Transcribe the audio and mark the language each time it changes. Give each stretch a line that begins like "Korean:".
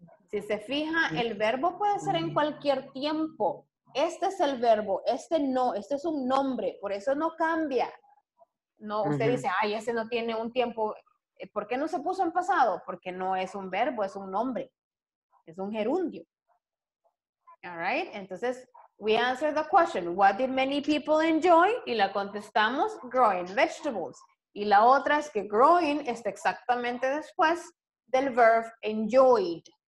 Spanish: Si se fija, el verbo puede ser en cualquier tiempo. Este es el verbo, este no, este es un nombre, por eso no cambia. No, usted dice, ay, ese no tiene un tiempo. ¿Por qué no se puso en pasado? Porque no es un verbo, es un nombre. Es un gerundio.
English: All right, entonces, we answer the question, what did many people enjoy?
Spanish: Y la contestamos,
English: growing vegetables.
Spanish: Y la otra es que growing está exactamente después del verb enjoyed.